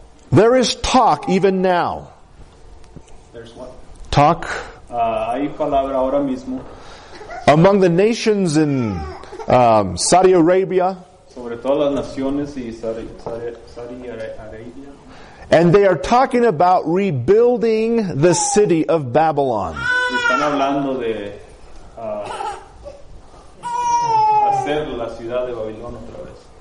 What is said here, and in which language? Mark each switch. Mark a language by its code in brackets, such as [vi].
[en] There is talk even now. There's what? Talk. [es] Hay palabra ahora mismo. [en] Among the nations in Saudi Arabia. [es] Sobre todas las naciones y Saudi Arabia. [en] And they are talking about rebuilding the city of Babylon. [es] Están hablando de hacer la ciudad de Babilón otra vez.